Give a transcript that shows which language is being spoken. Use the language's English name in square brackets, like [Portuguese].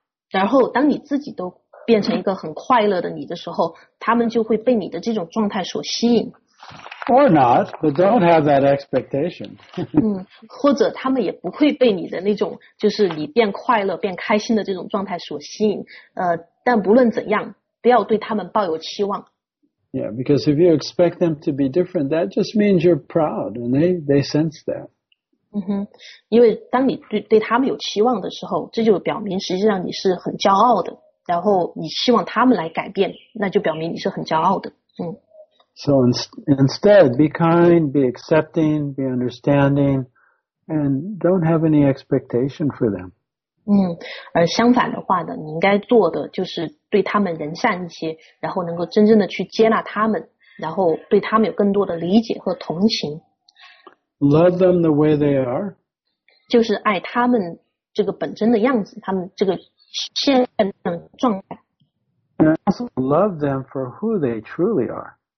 [Chinese] 然后当你自己都变成一个很快乐的你的时候，他们就会被你的这种状态所吸引。 [English] Or not, but don't have that expectation. [Chinese] 或者他们也不会被你的那种，就是你变快乐、变开心的这种状态所吸引。但不论怎样，不要对他们抱有期望。 [English] Yeah, because if you expect them to be different, that just means you're proud, and they sense that. [Chinese] 因为当你对他们有期望的时候，这就表明实际上你是很骄傲的。然后你希望他们来改变，那就表明你是很骄傲的。 [English] So instead, be kind, be accepting, be understanding, and don't have any expectation for them. [Chinese] 而相反的话呢，你应该做的就是对他们仁善一些，然后能够真正的去接纳他们，然后对他们有更多的理解和同情。 [English] Love them the way they are. [Chinese] 就是爱他们这个本真的样子，他们这个现状状态。 [English] And also love them for who they truly are.